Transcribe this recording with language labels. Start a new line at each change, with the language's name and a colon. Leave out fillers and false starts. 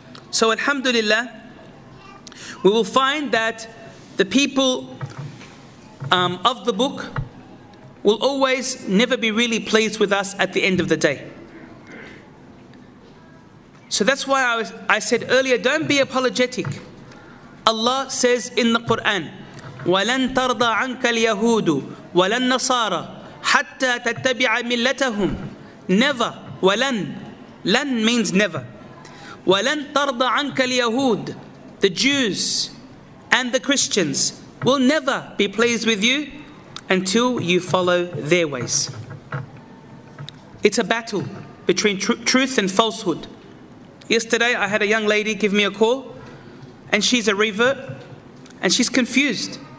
English: So alhamdulillah, we will find that the people of the book will always never be really pleased with us at the end of the day. So that's why I said earlier, don't be apologetic. Allah says in the Quran,
Arabic: وَلَن تَرْضَ عَنْكَ الْيَهُودُ وَلَن نَصَارَ حَتَّى تَتَّبِعَ مِلَّتَهُمْ.
English: Never, وَلَن, لَن means never.
Arabic: وَلَن تَرْضَ عَنْكَ الْيَهُودُ,
English: the Jews and the Christians will never be pleased with you until you follow their ways. It's a battle between truth and falsehood. Yesterday I had a young lady give me a call, and she's a revert, and she's confused.